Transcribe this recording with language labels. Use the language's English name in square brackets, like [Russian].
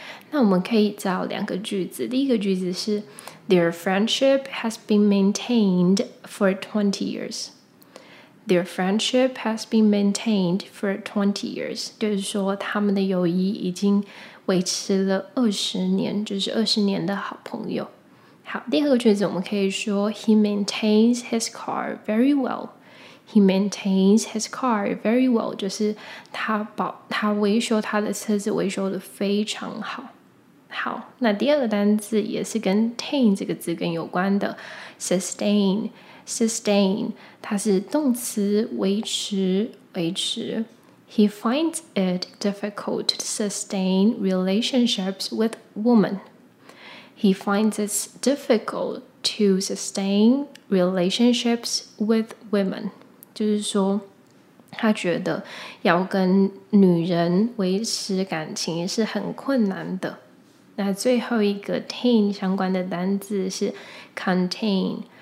[Chinese] 那我们可以找两个句子，第一个句子是 [English] Their friendship has been maintained for 20 years。 Their friendship has been maintained for 20 years. [Chinese] 就是说他们的友谊已经维持了20年，就是20年的好朋友。好，第二个句子我们可以说 [English] He maintains his car very well. He maintains his car very well. [Chinese] 就是他维修他的车子维修得非常好。好，那第二个单字也是跟 tain 这个字根有关的， sustain。 Sustain, 它是动词，维持，维持。 [English] He finds it difficult to sustain relationships with women. He finds it difficult to sustain relationships with women. [Chinese] 就是说，他觉得要跟女人维持感情是很困难的。那最后一个 tain 相关的单字是 contain。